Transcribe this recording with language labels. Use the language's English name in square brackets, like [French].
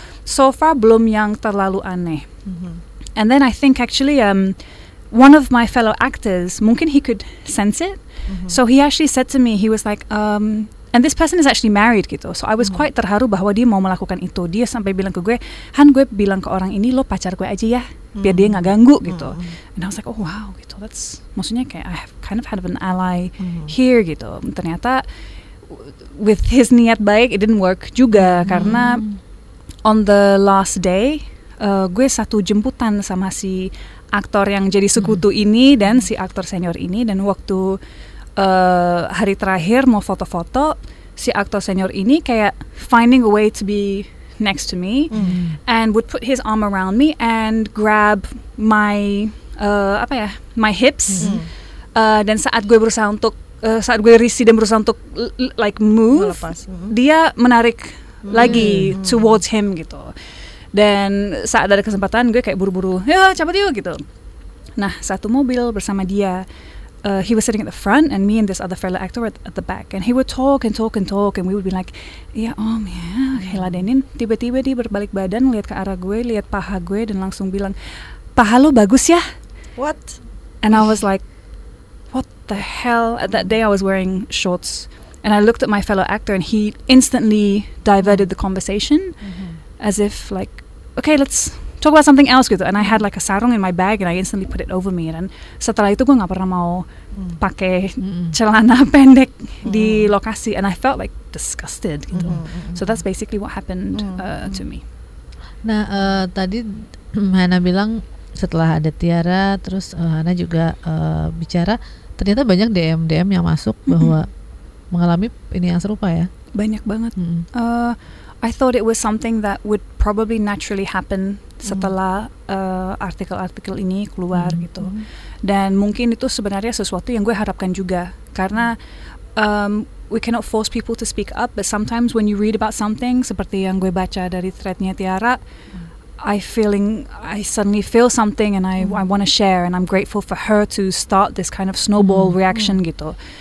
[English] So far [Indonesian] belum yang terlalu aneh. [English] And then I think actually one of my fellow actors, mungkin he could sense it. So he actually said to me, he was like, and this person is actually married gitu. So I was quite [Indonesian] terharu bahwa dia mau melakukan itu. Dia sampai bilang ke gue, Han, gue bilang ke orang ini, lo pacar gue aja ya, biar dia gak ganggu gitu. [English] And I was like, oh wow gitu, that's, [Indonesian] maksudnya kayak [English] I have kind of had an ally here gitu. Ternyata with his [Indonesian] niat baik, [English] it didn't work juga. [Indonesian] Karena [English] on the last day, [Indonesian] gue satu jemputan sama si aktor yang jadi sekutu ini dan si aktor senior ini. Dan waktu hari terakhir mau foto-foto, si aktor senior ini kayak [English] finding a way to be next to me and would put his arm around me and grab my my hips. [Indonesian] Dan saat gue berusaha untuk saat gue risih dan berusaha untuk [English] like move, [Indonesian] dia menarik lagi [English] towards him [Indonesian] gitu. Dan saat ada kesempatan, gue kayak buru-buru, ya cepet yuk gitu. Nah, satu mobil bersama dia, [English] he was sitting at the front, and me and this other fellow actor at the back. And he would talk and talk and talk, and we would be like, [Indonesian] ya om ya, [English] okay, ladenin. [Indonesian] Tiba-tiba dia berbalik badan, lihat ke arah gue, lihat paha gue, dan langsung bilang, paha lo bagus ya? [English] What? And I was like, what the hell? That day I was wearing shorts and I looked at my fellow actor and he instantly diverted the conversation as if like, okay, let's talk about something else. And I had like a sarong in my bag and I instantly put it over me. And [Indonesian] setelah itu gue gak pernah mau pakai celana pendek di lokasi. [English] And I felt like disgusted. Gitu. So that's basically what happened to me. [Indonesian] Nah, tadi Hana bilang setelah ada Tiara, terus Hana juga bicara, ternyata banyak DM-DM yang masuk bahwa mengalami ini yang serupa ya. Banyak banget. [English] I thought it was something that would probably naturally happen [Indonesian] setelah artikel-artikel ini keluar gitu. Dan mungkin itu sebenarnya sesuatu yang gue harapkan juga. [English] Karena we cannot force people to speak up, but sometimes when you read about something, [Indonesian] seperti yang gue baca dari thread-nya Tiara, [English] I suddenly feel something and I want to share and I'm grateful for her to start this kind of snowball reaction gitu.